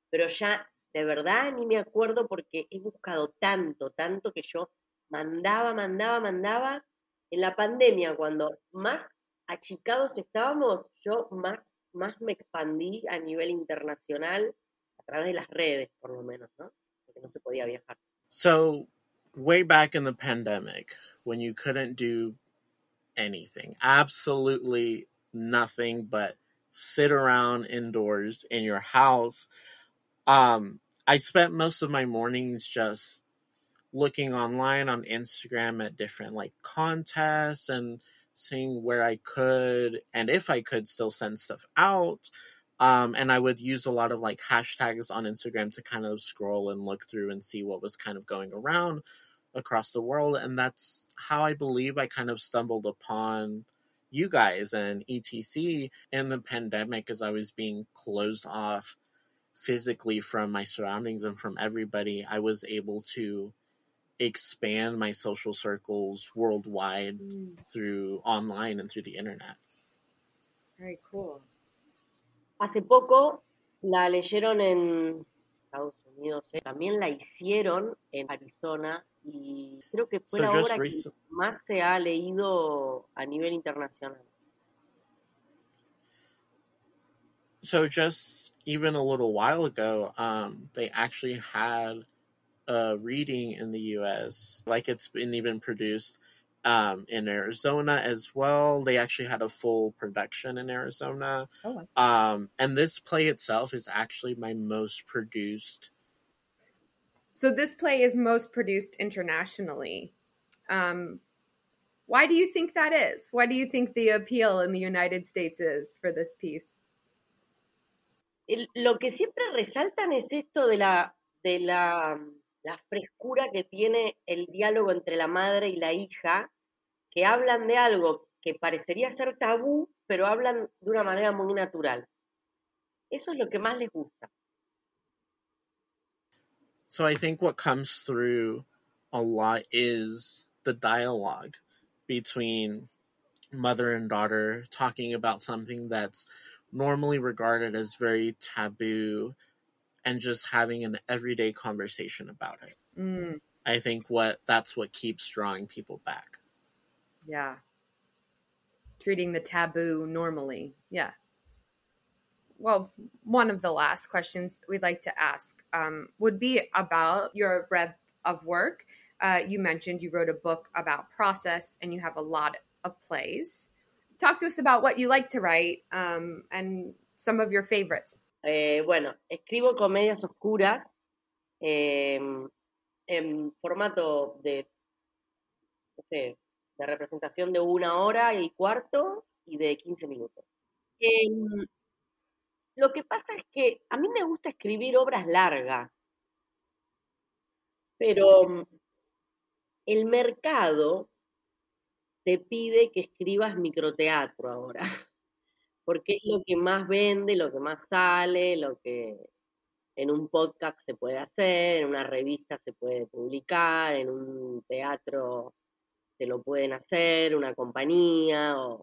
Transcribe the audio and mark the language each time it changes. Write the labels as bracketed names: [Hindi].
[Spanish] Pero ya, de verdad, ni me acuerdo porque he buscado tanto, tanto que yo mandaba. En la pandemia, cuando más achicados estábamos, yo más me expandí a nivel internacional, a través de las redes, por lo menos, ¿no? Porque no se podía viajar. [English] So, way back in the pandemic, when you couldn't do anything, absolutely nothing but sit around indoors in your house. I spent most of my mornings just looking online on Instagram at different like contests and seeing where I could and if I could still send stuff out. And I would use a lot of like hashtags on Instagram to kind of scroll and look through and see what was kind of going around across the world. And that's how I believe I kind of stumbled upon you guys and ETC in the pandemic, as I was being closed off physically from my surroundings and from everybody. I was able to expand my social circles worldwide through online and through the internet. Very cool. [Spanish] Hace poco la leyeron en Estados Unidos, también la hicieron en Arizona, y creo que fue la obra que más se ha leído a nivel internacional. [English] So just even a little while ago, they actually had a reading in the U.S. Like, it's been even produced in Arizona as well. They actually had a full production in Arizona. Oh, wow. And this play itself is actually my most produced. So this play is most produced internationally. Why do you think that is? Why do you think the appeal in the United States is for this piece? [Spanish] Lo que siempre resaltan es esto de la frescura que tiene el diálogo entre la madre y la hija, que hablan de algo que parecería ser tabú, pero hablan de una manera muy natural. Eso es lo que más les gusta. [English] So I think what comes through a lot is the dialogue between mother and daughter talking about something that's normally regarded as very taboo, and just having an everyday conversation about it. Mm. I think that's what keeps drawing people back. Yeah. Treating the taboo normally. Yeah. Well, one of the last questions we'd like to ask would be about your breadth of work. You mentioned you wrote a book about process and you have a lot of plays. Talk to us about what you like to write and some of your favorites. [Spanish] Bueno, escribo comedias oscuras en formato de, no sé, de representación de una hora y cuarto y de 15 minutos. Lo que pasa es que a mí me gusta escribir obras largas, pero el mercado te pide que escribas microteatro ahora, porque es lo que más vende, lo que más sale, lo que en un podcast se puede hacer, en una revista se puede publicar, en un teatro se lo pueden hacer, una compañía.